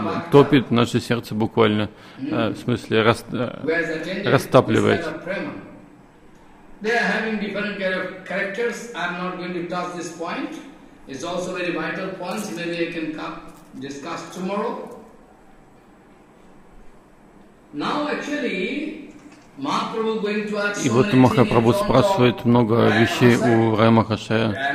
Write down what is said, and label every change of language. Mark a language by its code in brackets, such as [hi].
[ru] топит наше сердце буквально, в смысле растапливает. [en] They are having different kind of characters. I'm not going to touch this point. It's also very vital points. Maybe I can discuss tomorrow. Now actually, Mahaprabhu going to ask. [ru] И вот Махапрабху спрашивает много вещей у Рай Махашая.